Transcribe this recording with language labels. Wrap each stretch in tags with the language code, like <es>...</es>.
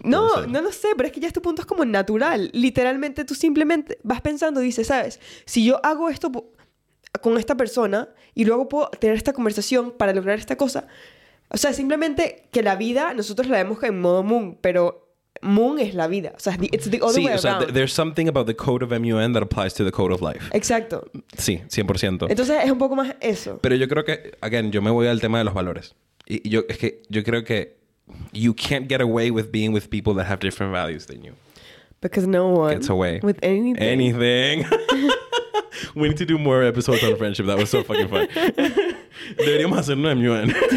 <es>No, no lo sé, pero es que ya este punto es como natural. Literalmente tú simplemente vas pensando y dices, ¿sabes? Si yo hago esto con esta persona y luego puedo tener esta conversación para lograr esta cosa, o sea, simplemente que la vida nosotros la vemos en modo Moon, pero Moon es la vida. O sea,</es> <en>it's the other</en> <es>sí,</es> <en>way around.</en> <es>Sí, o sea,</es> <en>there's something about the code of MUN that applies to the code of life.</en> <es>Exacto. Sí, 100%. Entonces, es un poco más eso. Pero yo creo que, again, yo me voy al tema de los valores. Y yo, es que yo creo que</es> <en>you can't get away with being with people that have different values than you. Because no one gets away with anything. Anything. We need to do more episodes on friendship. That was so fucking fun.</en> <es>Deberíamos hacer un MUN.</es>